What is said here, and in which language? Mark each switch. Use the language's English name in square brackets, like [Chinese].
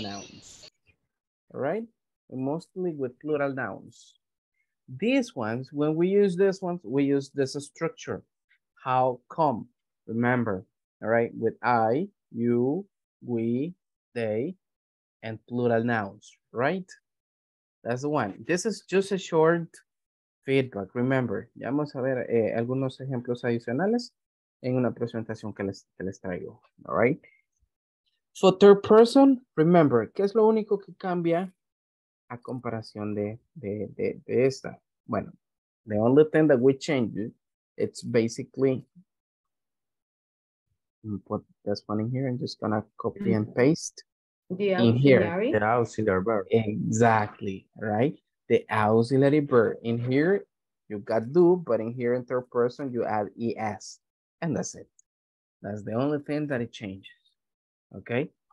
[English] nouns, all right? Mostly with plural nouns. These ones, when we use this ones, we use this structure. How come? Remember, all right, with I, you, we, they, and plural nouns, right? That's the one. This is just a short feedback. [Spanish] Remember, ya vamos a ver algunos ejemplos adicionales en una presentación que les traigo, all right? [English] So third person, remember, [Spanish] ¿qué es lo único que cambia a comparación de esta? [English] Bueno, the only thing that we change, it's basically, put this one in here, I'm just gonna copy and paste the auxiliary verb. Exactly, right? The auxiliary verb. In here, you got do, but in here, in third person, you add ES, and that's it. That's the only thing that it changes, okay?